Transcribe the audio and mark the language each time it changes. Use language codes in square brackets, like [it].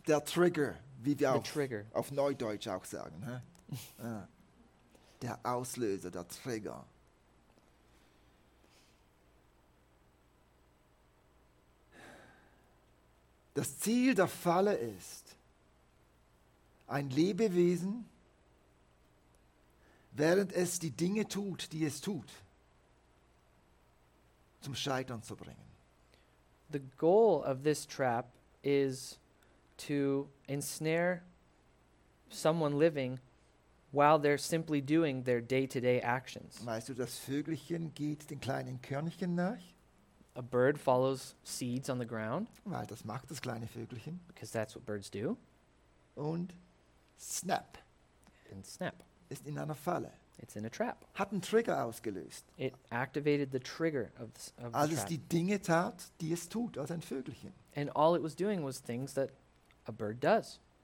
[de] Der Trigger, wie wir auf Neudeutsch auch sagen. Ja. Der Auslöser, der Trigger. Das Ziel der Falle ist, ein Lebewesen, während es die Dinge tut, die es tut, zum Scheitern zu bringen. [en] The goal of this trap is to ensnare someone living while they're simply doing their day-to-day actions. [de] Weißt du, das Vögelchen geht den kleinen Körnchen nach? [en] A bird follows seeds on the ground. [de] Weil das macht das kleine Vögelchen. [en] Because that's what birds do. [de] Und snap. [en] And snap. [de] Ist in einer Falle. [en] It's in a trap. [de] Hat einen Trigger ausgelöst. [en] It activated the trigger of the trap. [de] Als es die Dinge tat, die es tut, als ein Vögelchen. [en] And all it was doing was things that a bird does.